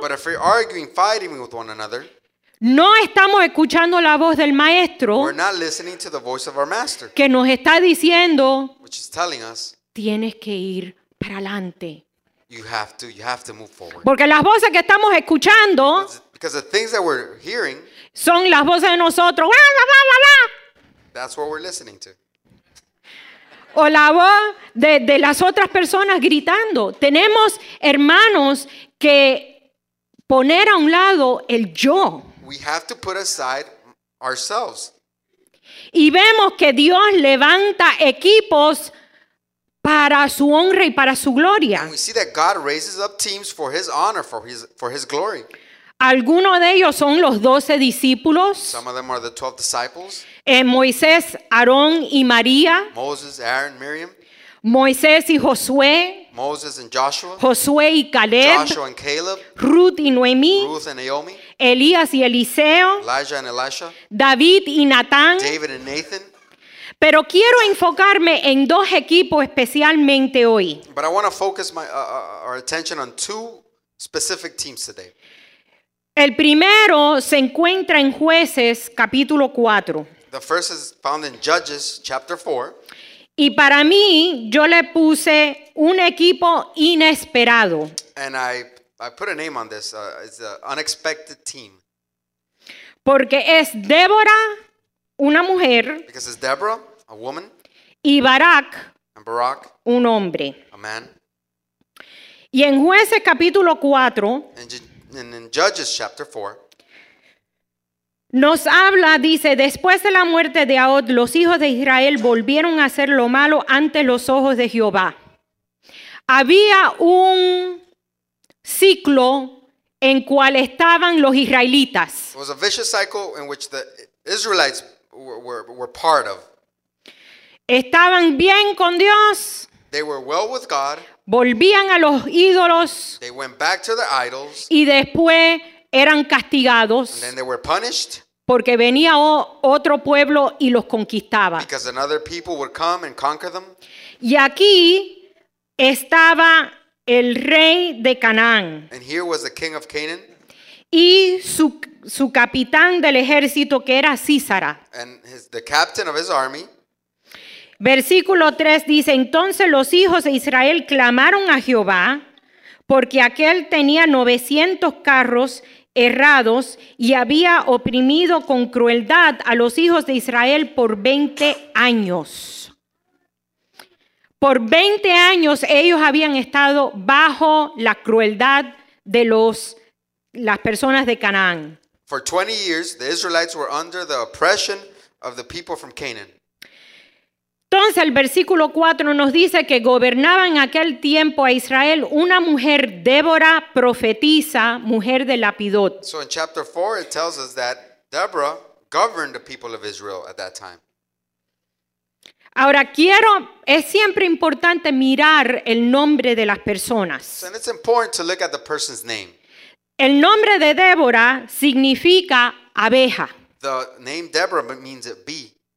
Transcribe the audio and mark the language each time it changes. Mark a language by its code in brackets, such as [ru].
[en] But if we're arguing, fighting with one another. [es] No estamos escuchando la voz del maestro. [en] We're not listening to the voice of our master. [es] Que nos está diciendo. [en] Which is telling us. [es] Tienes que ir para adelante. [en] You have to move forward. [es] Porque las voces que estamos escuchando. [en] Because the things that we're hearing. [es] Son las voces de nosotros. Bla, bla, bla, bla. [en] That's what we're listening to. [es] O la voz de las otras personas gritando. Tenemos hermanos que poner a un lado el yo. [en] We have to put aside ourselves. [es] Y vemos que Dios levanta equipos para su honra y para su gloria. [en] And we see that God raises up teams for his honor, for his glory. [es] Algunos de ellos son los 12 discípulos. [en] Some of them are the 12 disciples. [es] Moisés, Aarón y María. [en] Moses, Aaron, Miriam. [es] Moisés y Josué. [en] Moses and Joshua. [es] Josué y Caleb. [en] Joshua and Caleb. [es] Ruth y Noemí. [en] Ruth and Naomi. [es] Elías y Eliseo. [en] Elijah and Elisha. [es] David y Natán. [en] David and Nathan. [es] Pero quiero enfocarme en dos equipos especialmente hoy. [en] But I want to focus our attention on two specific teams today. [es] El primero se encuentra en Jueces capítulo 4. [en] The first is found in Judges chapter 4. [es] Y para mí, yo le puse un equipo inesperado. [en] And I put a name on this. It's an unexpected team. [es] Porque es Débora, una mujer. [en] Because it's Deborah, a woman. [es] Y Barak, [en] and Barak, [es] un hombre. [en] A man. [es] Y en Jueces capítulo 4. [en] And in Judges chapter 4. [es] Nos habla, dice, después de la muerte de Ahod, los hijos de Israel volvieron a hacer lo malo ante los ojos de Jehová. Había un ciclo en cual estaban los israelitas. [en] It was a vicious cycle in which the Israelites were part of. [es] Estaban bien con Dios. [en] They were well with God. [es] Volvían a los ídolos. [en] They went back to their idols. [es] Y después eran castigados. [en] And then they were punished. [es] Porque venía otro pueblo y los conquistaba. [en] Because another people would come and conquer them. [es] Y aquí estaba el rey de Canaán. [en] And here was the king of Canaan. [es] Y su capitán del ejército que era Sísara. [en] And the captain of his army. [es] Versículo 3 dice, entonces los hijos de Israel clamaron a Jehová porque aquel tenía 900 carros errados y había oprimido con crueldad a los hijos de Israel por 20 años. Por 20 años ellos habían estado bajo la crueldad de las personas de Canaán. [en] For 20 years, the Israelites were under the oppression of the people from Canaan. [es] Entonces el versículo 4 nos dice que gobernaba en aquel tiempo a Israel una mujer Débora, profetisa, mujer de Lapidot. [en] So in chapter 4 it tells us that Deborah governed the people of Israel at that time. [es] Ahora es siempre importante mirar el nombre de las personas. [en] So it's important to look at the person's name. [es] El nombre de Débora significa abeja. [en] The name Deborah means a bee.